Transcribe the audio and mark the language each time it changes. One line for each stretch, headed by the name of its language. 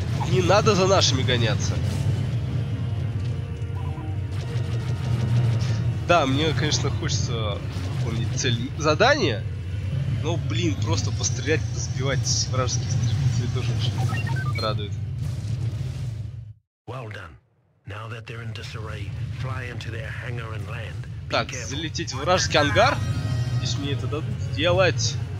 Russian: Не надо за нашими гоняться. Да, мне, конечно, хочется выполнить цель задания. Ну, блин, просто пострелять, сбивать вражеские истребители тоже очень радует.
English: Well done. Now that they're in disarray, fly into their hangar and land.
Russian: Так, залететь в вражеский ангар? Здесь мне это дадут сделать.